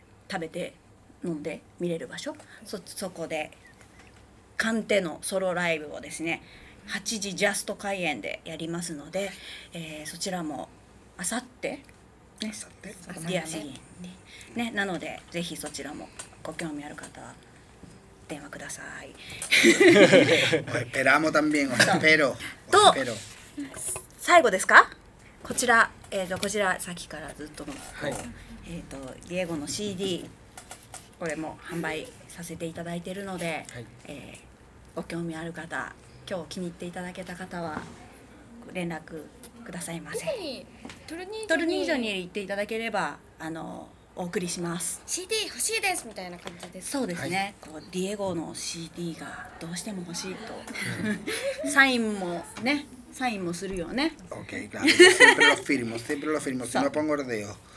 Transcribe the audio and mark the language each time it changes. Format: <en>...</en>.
<ja>食べて飲んで見れる場所、そこでカンテのソロライブをですね8時ジャスト開演でやりますので、そちらもあさって、ディアメリーね、なのでぜひそちらもご興味ある方は電話ください。</ja> <es>esperamos también, espero.</es> <ja>と、最後ですか、こちら、こちらさっきからずっとの、はい、ディエゴの CD、 これも販売させていただいているので、はい、ご興味ある方、今日気に入っていただけた方は連絡くださいませ。トルニージョに行っていただければ、あのお送りします。 CD 欲しいですみたいな感じです。そうですね、はい、こうディエゴの CD がどうしても欲しいとサインもね、サインもするよね。</ja> <es>OK、 siempre lo firmo, si no pongo el dedo</es>